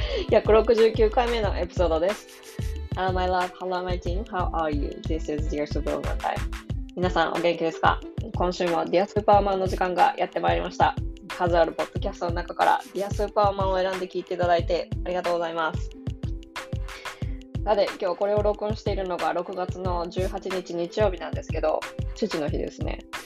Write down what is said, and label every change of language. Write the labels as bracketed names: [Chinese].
[Japanese] 169回目のエピソードです。 [English] My love, hello my team, how are you? This is The Superwoman time. [Japanese] 皆さんお元気ですか？今週もThe Superwomanの時間がやってまいりました。数あるポッドキャストの中からThe Superwomanを選んで聞いていただいてありがとうございます。さて、今日これを録音しているのが6月の18日日曜日なんですけど、父の日ですね。